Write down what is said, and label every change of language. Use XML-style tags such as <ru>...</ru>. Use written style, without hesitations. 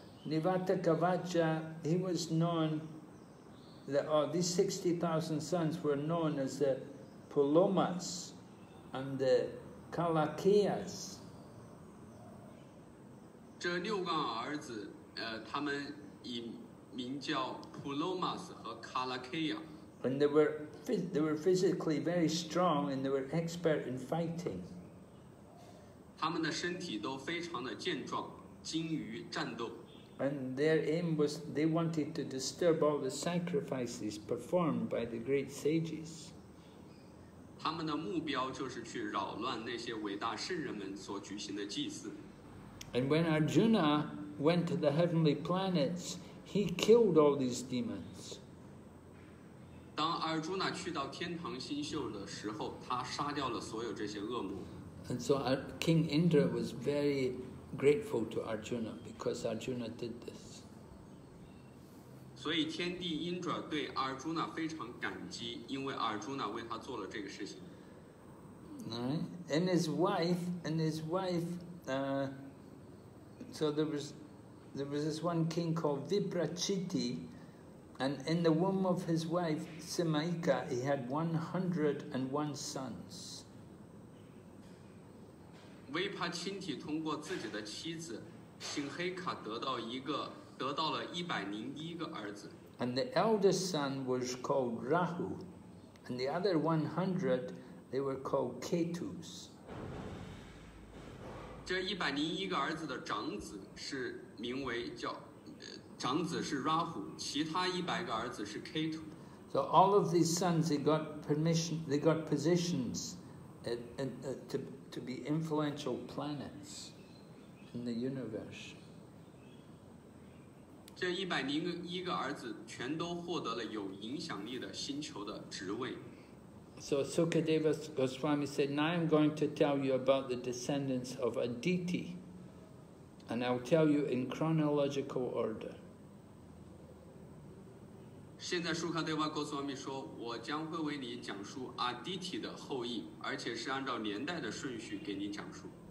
<en>Nivatakavacha, he was known, these 60,000 sons were known as the Pulomas and the Kalakias.</en> <zh>这六个儿子，他们以名叫 Pulomas 和 Kalakia.</zh> <en>And they were physically very strong and they were expert in fighting.</en> <zh>他们的身体都非常的健壮。精于战斗。</zh> <en>And their aim was they wanted to disturb all the sacrifices performed by the great sages.</en> <zh>他们的目标就是去扰乱那些伟大圣人们所举行的祭祀。</zh> <en>And when Arjuna went to the heavenly planets, he killed all these demons.</en> <zh>当阿尔朱那去到天堂星宿的时候，他杀掉了所有这些恶魔。</zh> <en>And so King Indra was very grateful to Arjuna because Arjuna did this.</en> <zh>所以天帝 Indra 对 Arjuna 非常感激，因为 Arjuna 为他做了这个事情。</zh> <en>And there was this one king called Vibrachiti, and in the womb of his wife Simaika, he had 101 sons.</en> <zh>维帕钦提通过自己的妻子辛黑卡得到了101个儿子。</zh> <en>And the eldest son was called Rahu, and the other 100, they were called Ketus.</en> <zh>这101个儿子的长子是名为叫，长子是 Rahu, 其他100个儿子是 Ketu.</zh> <en>So all of these sons, they got positions to be influential planets in the universe.</en> <zh>这101个儿子全都获得了有影响力的星球的职位。</zh> <en>So Sukadeva Goswami said, now I'm going to tell you about the descendants of Aditi, and I'll tell you in chronological order.</en> <zh>现在 Sukadeva Goswami 说，我将会为你讲述 Aditi 的后裔，而且是按照年代的顺序给你讲述。</zh>